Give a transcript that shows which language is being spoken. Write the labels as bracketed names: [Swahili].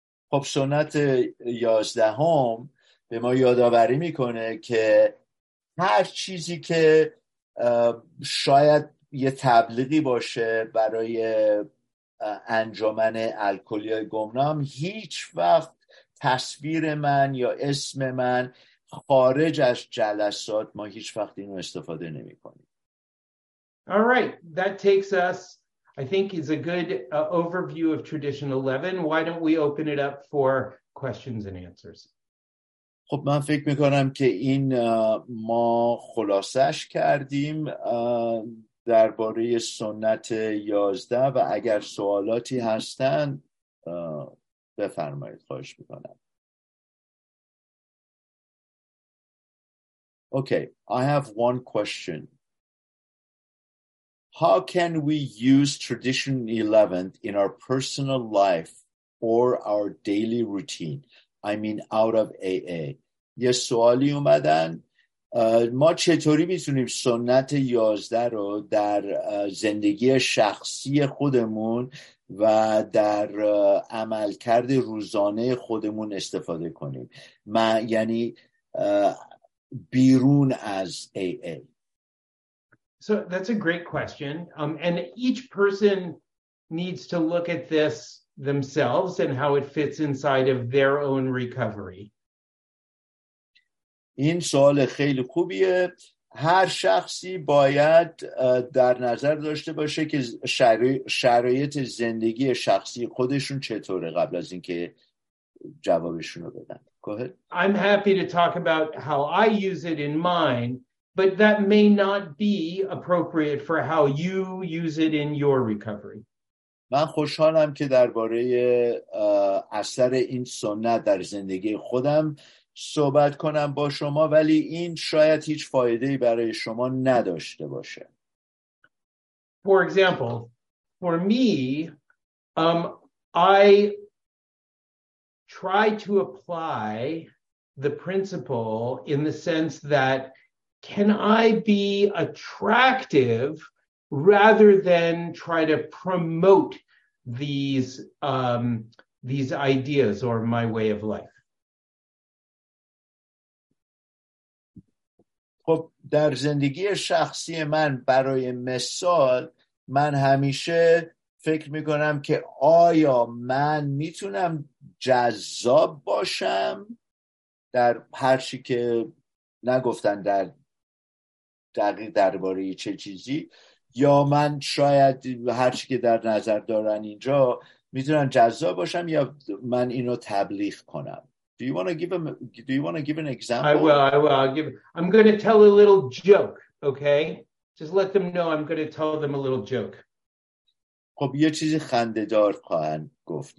[Persian] خب سنت 11 به ما یادآوری میکنه که هر چیزی که شاید یه تبلیغی باشه برای انجمن الکلی گمنام، هیچ وقت تصویر من یا اسم من خارج از جلسات ما هیچ وقت اینو استفاده نمیکنیم. [English] All right, that takes us, I think, is a good overview of Tradition 11. Why don't we open it up for questions and answers? [Persian] خب من فکر میکنم که این ما خلاصش کردیم درباره سنت 11، و اگر سوالاتی هستن بفرمایید، خواهش میکنم. [English] Okay, I have one question. How can we use Tradition 11 in our personal life or our daily routine? I mean, out of AA. [Persian] یه سوالی اومدن. ما چطوری میتونیم سنت 11 رو در زندگی شخصی خودمون و در عملکرد روزانه خودمون استفاده کنیم؟ یعنی بیرون از AA. [English] So that's a great question. And each person needs to look at this themselves and how it fits inside of their own recovery. [Persian] این سوال خیلی خوبیه. هر شخصی باید در نظر داشته باشه که شرایط زندگی شخصی خودشون چطوره قبل از اینکه جوابشون رو بدن. [English] Go ahead. I'm happy to talk about how I use it in mine, but that may not be appropriate for how you use it in your recovery. [Persian] من خوشحالم که درباره اثر این سنت در زندگی خودم صحبت کنم با شما، ولی این شاید هیچ فایده‌ای برای شما نداشته باشه. [English] For example, for me, I try to apply the principle in the sense that can I be attractive rather than try to promote these ideas or my way of life. [Persian] خب در زندگی شخصی من برای مثال من همیشه فکر میکنم که آیا من میتونم جذاب باشم در هرچی که نگفتن در دقیق درباره چه چیزی، یا من شاید هرچی که در نظر دارن اینجا میتونم جذاب باشم یا من اینو تبلیغ کنم. [English] Do you want to give an example? I will give. I'm going to tell a little joke, okay? Just let them know I'm going to tell them a little joke. [Persian] خب یه چیزی خنده‌دار خواهند گفت.